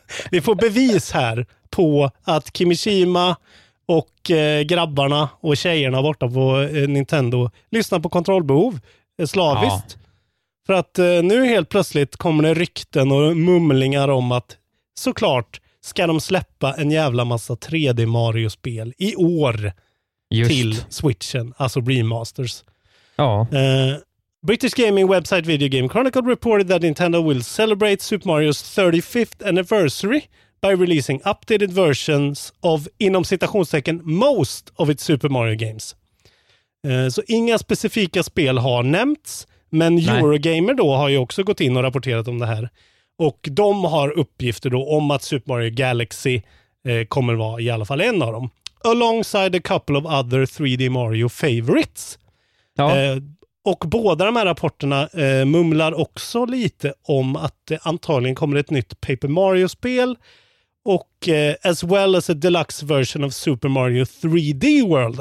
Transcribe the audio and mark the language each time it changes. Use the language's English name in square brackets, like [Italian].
[Swedish] Vi får bevis här på att Kimishima och grabbarna och tjejerna borta på Nintendo lyssnar på kontrollbehov slaviskt. Ja. För att nu helt plötsligt kommer det rykten och mumlingar om att såklart ska de släppa en jävla massa 3D Mario-spel i år. Just. Till Switchen, alltså remasters. Ja. [English] British gaming website Video Game Chronicle reported that Nintendo will celebrate Super Mario's 35th anniversary by releasing updated versions of, [Swedish] inom citationstecken, [English] most of its Super Mario games. [Swedish] Så inga specifika spel har nämnts, men Eurogamer då har ju också gått in och rapporterat om det här. Och de har uppgifter då om att Super Mario Galaxy kommer vara i alla fall en av dem. [English] Alongside a couple of other 3D Mario favorites. [Swedish] Ja. Och båda de här rapporterna mumlar också lite om att det antagligen kommer ett nytt Paper Mario-spel. [English] Och as well as a deluxe version of Super Mario 3D World.